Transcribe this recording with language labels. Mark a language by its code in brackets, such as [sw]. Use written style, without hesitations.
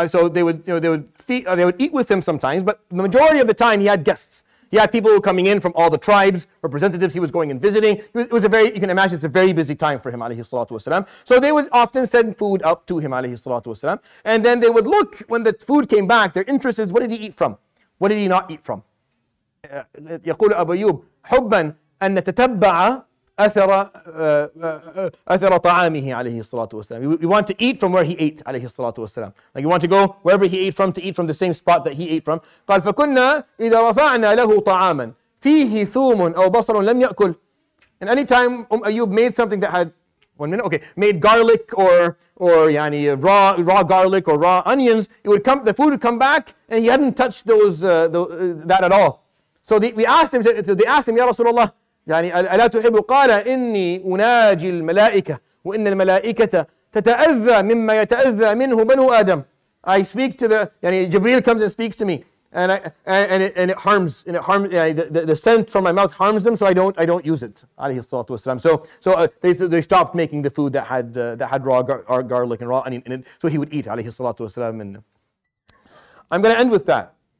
[en] So they would, they would eat with him sometimes. But the majority of the time, he had guests. He had people coming in from all the tribes, representatives he was going and visiting. It was a very, you can imagine, it's a very busy time for him, alayhi salatu wasalam. So they would often send food up to him, alayhi salatu wasalam. And then they would look, when the food came back, their interest is, what did he eat from? What did he not eat from? [ar] يقول أبو أيوب حبًا أن نتتبع أثر طعامه عليه الصلاة والسلام. [en] We want to eat from where he ate [ar] عليه الصلاة والسلام. [en] Like, you want to go wherever he ate from, to eat from the same spot that he ate from. [ar] قال فكنا إذا رفعنا له طعاما فيه ثوم أو بصل لم يأكل. [en] And anytime Ayyub made something that had, 1 minute, okay, made garlic or raw garlic or raw onions, it would come, the food would come back, and he hadn't touched that at all. So they asked him, Ya Rasulullah, [ar] يعني ألا تحب قال إني أناجي الملائكة وإن الملائكة تتأذى مما يتأذى منه بنو آدم. [en] I speak to the, يعني Jibreel comes and speaks to me, and it harms the scent from my mouth harms them, so I don't use it, [ar] عليه الصلاة والسلام. [en] So they stopped making the food that had raw garlic and raw onion in it, so he would eat, [ar] عليه الصلاة والسلام. [en] And I'm going to end with that.